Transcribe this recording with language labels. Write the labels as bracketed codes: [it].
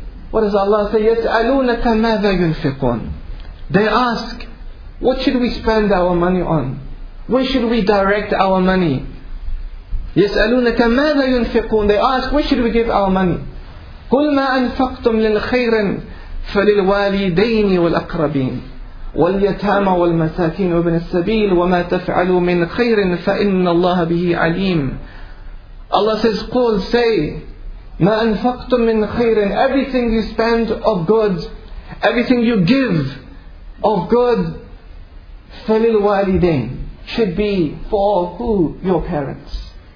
[en] What does Allah say? [ar] يَسْأَلُونَكَ مَاذَا يُنْفِقُونَ. [en] They ask, what should we spend our money on? Where should we direct our money? [ar] يَسْأَلُونَكَ مَاذَا يُنْفِقُونَ. [en] They ask, where should we give our money? [ar] قُلْ مَا أَنْفَقْتُمْ لِلْخَيْرٍ فللوالدين والأقربين واليتامى والمساكين وابن السبيل وما تفعلوا من خير فإن الله به عليم. [en] Allah says, [ar] قول, [en] say, [ar] ما أنفقتم من خير, [en] everything you spend of good, everything you give of good, [ar] فللوالدين [en] should be for who? Your parents.